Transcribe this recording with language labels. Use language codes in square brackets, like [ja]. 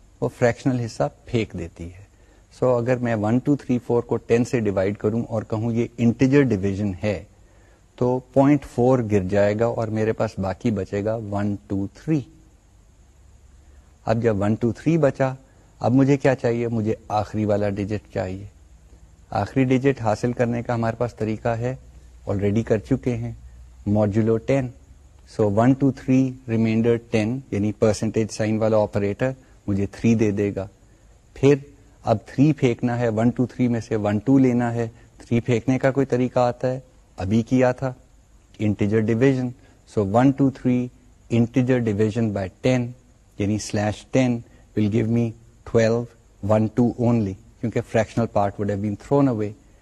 [ur] وہ فریکشنل حصہ پھینک دیتی ہے. سو اگر میں 1, 2, 3, 4 کو 10 سے ڈیوائڈ کروں اور کہوں یہ انٹیجر ڈیویژن ہے تو 0.4 گر جائے گا اور میرے پاس باقی بچے گا 1, 2, 3. اب جب 1, 2, 3 بچا اب مجھے کیا چاہیے, مجھے آخری والا ڈیجٹ چاہیے. آخری ڈیجٹ حاصل کرنے کا ہمارے پاس طریقہ ہے, آلریڈی کر چکے ہیں, موجولو 10. سو 1, 2, 3 ریمائنڈر 10 یعنی پرسنٹیج سائن والا آپریٹر مجھے 3 دے دے گا. پھر اب 3 پھینکنا ہے, 1, 2, 3 میں سے 1, 2 لینا ہے. 3 پھینکنے کا کوئی طریقہ آتا ہے, ابھی کیا تھا, integer division. [en] So 1, 2, 3 integer division by 10 یعنی slash 10 will give me 12, 1, 2 only, کیونکہ fractional part would have been thrown away.